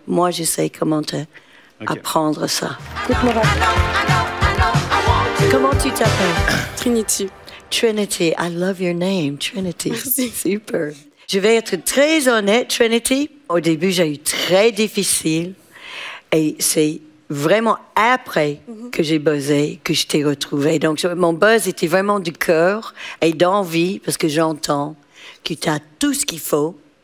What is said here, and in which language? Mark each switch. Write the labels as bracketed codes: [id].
[fr] Moi, je sais comment te apprendre ça. Comment tu t'appelles? Trinity. [en] Trinity, I love your name, Trinity. [fr] Merci. Super. Je vais être très honnête, Trinity. Au début, j'ai eu très difficile. Et c'est vraiment après que j'ai buzzé que je t'ai retrouvée. Donc, mon buzz était vraiment du cœur et d'envie, parce que j'entends que tu as tout ce qu'il faut.